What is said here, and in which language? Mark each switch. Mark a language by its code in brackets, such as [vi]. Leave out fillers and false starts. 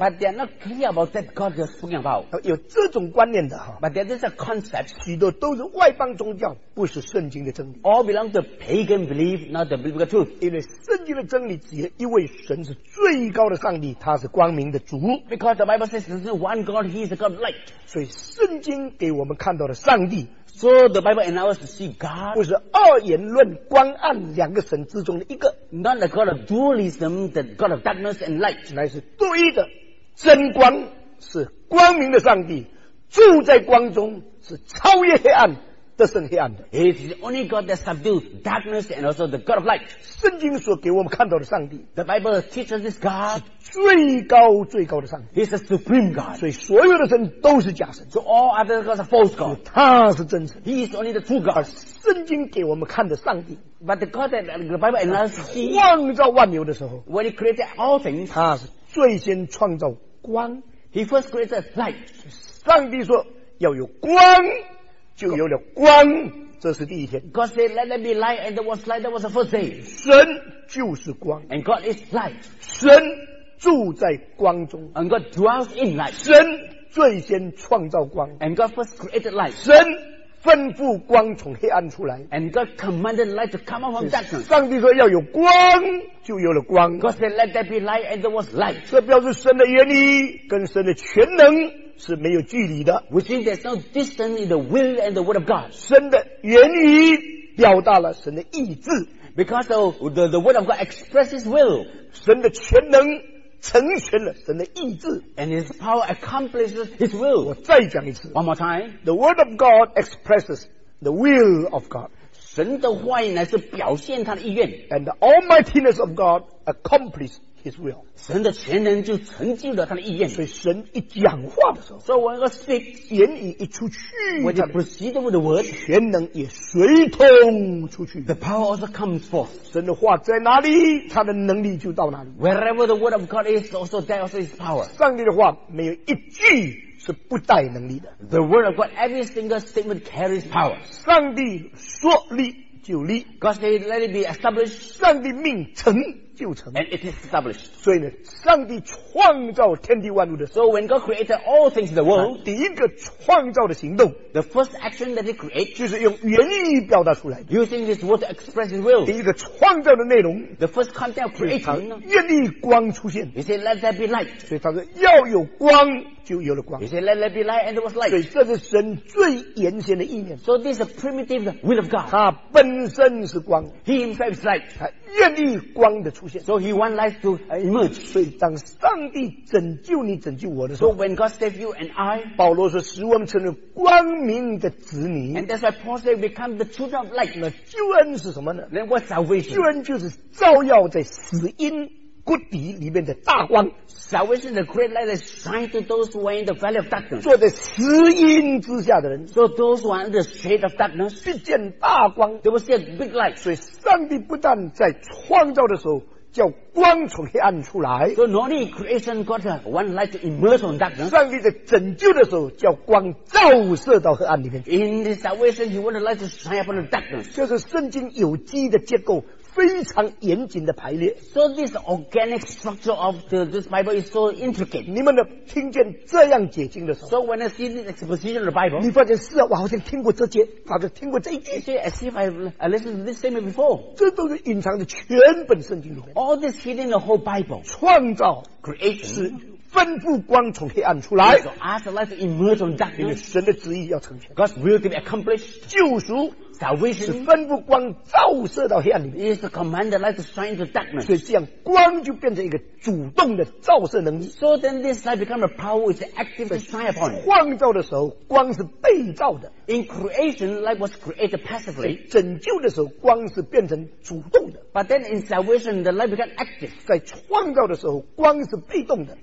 [en] But they are not clear about that God they're speaking about. [zh] 有这种观念的哈。 [en] But there is a concept. [zh] 许多都是外邦宗教，不是圣经的真理。 [en] All belong to pagan belief, not the biblical truth. [zh] 因为圣经的真理只有一位神是最高的上帝，他是光明的主。 [en] Because the Bible says there is one God, He is the God of light. [zh] 所以圣经给我们看到的上帝。 [en] So the Bible allows to see God. [zh] 不是二元论光暗两个神之中的一个。 [en] Not the God of dualism, the God of darkness and light. [zh] 乃是独一的真光，是光明的上帝，住在光中，是超越黑暗，得胜黑暗的。 [en] It is the only God that subdues darkness and also the God of light. [zh] 圣经所给我们看到的上帝。 [en] The Bible teaches this God. [zh] 最高最高的上帝 [en] He's a supreme God [zh] 所以所有的神都是假神 [en] So all other gods are false gods [zh] 他是真神 [en] He is only the true God [zh] 圣经给我们看的上帝 [en] But the God that the Bible and us [zh] 创造万有的时候 [en] When he created all things [zh] 他是最先创造光 [en] He first created light [zh] 上帝说要有光就有了光这是第一天 [en] God said let there be light and there was light that was the first day [zh] 神就是光 [en] And God is light [zh] 神住在光中 [en] And God dwells in light [zh] 神最先创造光 [en] And God first created light [zh] 神吩咐光从黑暗出来 [en] And God commanded light to come out from darkness [zh] 上帝说要有光就有了光 [en] God said let there be light and there was light [zh] 这表示神的原理跟神的全能是没有距离的 [en] Which means there's no distance in the will and the word of God [zh] 神的原理表达了神的意志 [en] Because the word of God expresses will. [zh] 神的全能成全了神的意志。 [en] And his power accomplishes his will. [zh] 我再讲一次。 [en] One more time. The word of God expresses the will of God. [zh] 神的话语乃是表现他的意愿。 [en] And the almightiness of God accomplishes his will. [zh] 神的全能就成就了他的意愿。所以神一讲话的时候。 [en] So when God speaks, [zh] 言语一出去。 [en] When he proceeded with the word, [zh] 全能也随同出去。 [en] The power also comes forth. [zh] 神的话在哪里他的能力就到哪里。 [en] Wherever the word of God is, also there also is power. [zh] 上帝的话没有一句是不带能力的。 [en] The word of God, every single statement carries power. [zh] 上帝说立就立。 [en] God said, let it be established. [zh] 上帝命成就成。 [en] And it is established. [zh] 所以呢，上帝创造天地万物的。 [en] So when God created all things in the world, [zh] 第一个创造的行动 [en] ，the first action that He created, [zh] 就是用原意表达出来的。 [en] Using His word to express His will. [zh] 第一个创造的内容 [en] ，the first content of creation, [zh] 愿意光出现。 [en] He said, let there be light. [zh] 所以他说要有光。就有了光。 [en] He said, "Let there be light, and there was light." [zh] 所以这是神最原先的意念。 [en] So this is a primitive will of God. [zh] 他本身是光。 [en] He himself is light. [zh] 他愿意光的出现。 [en] So he wants light to emerge. [zh] 所以当上帝拯救你、拯救我的时候 [en] ，So when God saved you and I, [zh] 保罗说使我们成为光明的子女。 [en] And that's why Paul said, "Become the children of light." [zh] 那救恩是什么呢 [en] ？Then what's salvation? [zh] 救恩就是照耀在死荫。谷底里面的大光 [en] Salvation is a great light that shines to those who are in the valley of darkness [zh] 坐在死荫之下的人 [en] So those who are in the shade of darkness [zh] 去见大光 [en] They will see a big light [zh] 所以上帝不但在创造的时候叫光从黑暗出来 [en] So not only creation got one light to emerge from darkness [zh] 上帝在拯救的时候叫光照射到黑暗里面 [en] In the salvation he wanted light to shine upon the darkness [zh] 就是圣经有机的结构非常严谨的排列 [en] So this organic structure of this Bible is so intricate [zh] 你们的听见这样解经的时候 [en] So when I see this exposition of the Bible [zh] 你发现是啊我好像听过这节好像听过这一节 [en] say, As if I've listened to this statement before [zh] 这都是隐藏的全本圣经里面 [en] All this hidden in the whole Bible [zh] 创造 [en] Creation [zh] 是吩咐光从黑暗出来 [en] So ask the light to emerge from darkness [zh] 因为神的旨意要成全 [en] God's will to be accomplished [zh] 救赎 [en] Salvation [zh] 是吩咐光照射到黑暗里面 [en] is to command the light to shine into darkness [zh] 所以这样光就变成一个主动的照射能力 [en] So then this light becomes a power which is active to shine upon it [zh] 创造的时候光是被照的 [en] In creation light was created passively [zh] 拯救的时候光是变成主动的 [en] But then in salvation the light becomes active [zh] 在创造的时候光是被动的